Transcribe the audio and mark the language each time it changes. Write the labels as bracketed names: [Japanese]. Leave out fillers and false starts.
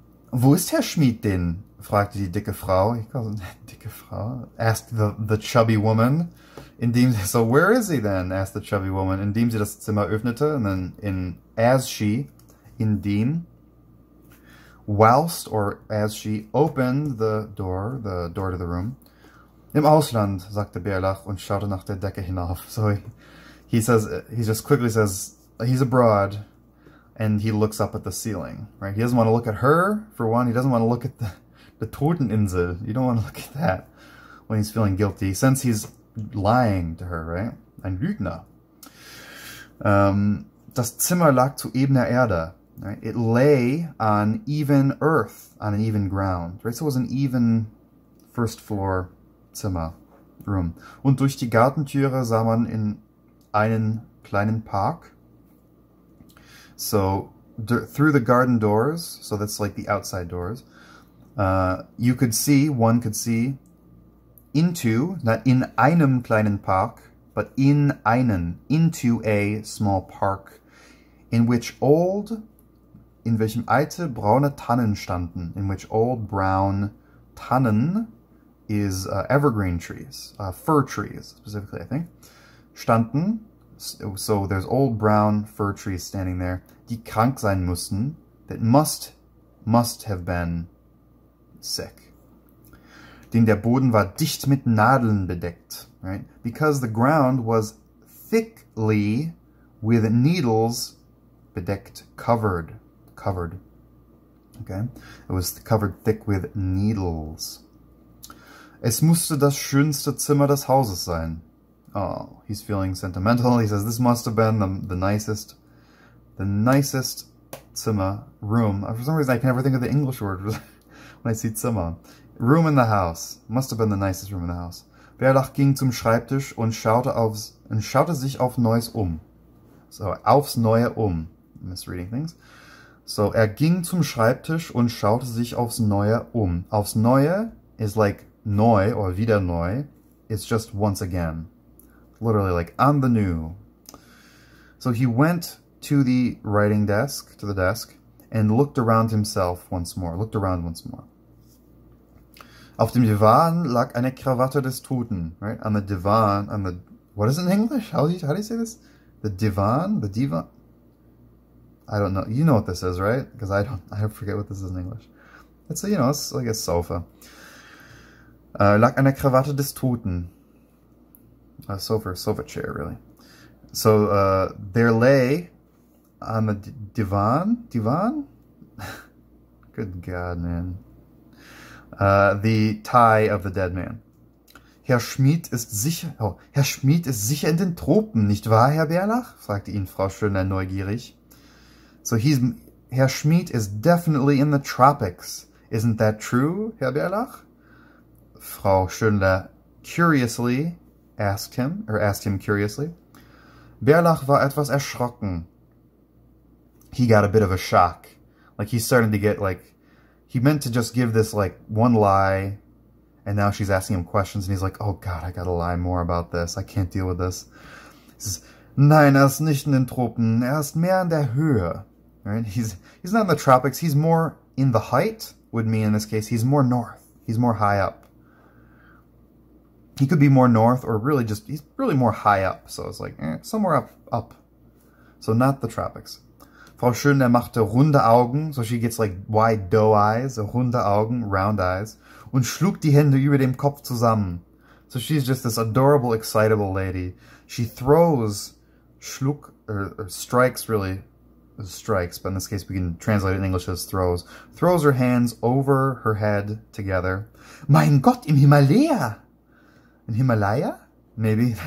[German] Wo ist Herr Schmied denn? Fragte die dicke Frau. [English] He calls him [German] dicke Frau. [English] Asked the chubby woman. So where is he then? Asked the chubby woman. [German] Indem sie das Zimmer öffnete. [English] And then in as she, indem, whilst or as she opened the door to the room. [German] Im Ausland, sagte Bärlach und schaute nach der Decke hinauf. [English] So he just quickly says he's abroad. And he looks up at the ceiling, right? He doesn't want to look at her, for one. He doesn't want to look at the Toteninsel. You don't want to look at that when he's feeling guilty, since he's lying to her, right? [German] Ein Lügner. Das Zimmer lag zu ebener Erde, right? [English] It lay on even earth, on an even ground, right? So it was an even first floor Zimmer, room. [German] Und durch die Gartentüre sah man in einen kleinen Park. [English] So through the garden doors, so that's like the outside doors, you could see, one could see into, not in einem kleinen Park, but in einen, into a small park, in which old, [German] in welchem alte braune Tannen standen, [English] in which old brown Tannen is evergreen trees, fir trees specifically, I think, standen. So there's old brown fir trees standing there, [German] die krank sein mussten, [English] that must have been sick. [German] Denn der Boden war dicht mit Nadeln bedeckt, right? [English] Because the ground was thickly with needles bedeckt, covered. Okay? It was covered thick with needles. [German] Es musste das schönste Zimmer des Hauses sein. [English] Oh, he's feeling sentimental. He says, this must have been the nicest Zimmer, room. For some reason, I can never think of the English word when I see Zimmer. Room in the house. Must have been the nicest room in the house. [German] Bärlach ging zum Schreibtisch und schaute sich auf Neues um. So, aufs Neue um. [English] Misreading things. [German] So, ging zum Schreibtisch und schaute sich aufs Neue um. [English] Aufs Neue is like neu or wieder neu. It's just once again. Literally, like on the new. So he went to the writing desk, to the desk, and looked around himself once more. Looked around once more. [German] Auf dem Divan lag eine Krawatte des Toten. [English] Right? On the divan, on the. What is it in English? How do you say this? The divan? The divan? I don't know. You know what this is, right? Because I forget what this is in English. It's a, it's like a sofa. [German] Lag eine Krawatte des Toten. [English] A sofa chair, really. So there lay on the divan. Good God, man. The tie of the dead man. [German] Herr Schmied ist sicher in den Tropen, nicht wahr, Herr Bärlach? Fragte ihn Frau Schöner neugierig. [English] So he's Herr Schmied is definitely in the tropics. Isn't that true, Herr Bärlach? Frau Schöner curiously asked him curiously. [German] Bärlach war etwas erschrocken. [English] He got a bit of a shock. Like he's starting to get like he meant to just give this like one lie, and now she's asking him questions and he's like, oh God, I gotta lie more about this. I can't deal with this. He says, [German] nein, ist nicht in den Tropen, ist mehr in der Höhe. [English] Right? He's not in the tropics, he's more in the height, would mean in this case, he's more north. He's more high up. He could be more north, or really just, he's really more high up. So it's like, somewhere up. So not the tropics. [German] Frau Schöner machte runde Augen. [English] So she gets like wide doe eyes, runde Augen, round eyes. [German] Und schlug die Hände über dem Kopf zusammen. [English] So she's just this adorable, excitable lady. She throws, schlug, or strikes really, strikes, but in this case we can translate it in English as throws. Throws her hands over her head together. [German] Mein Gott im Himalaya! [English] In Himalaya? Maybe.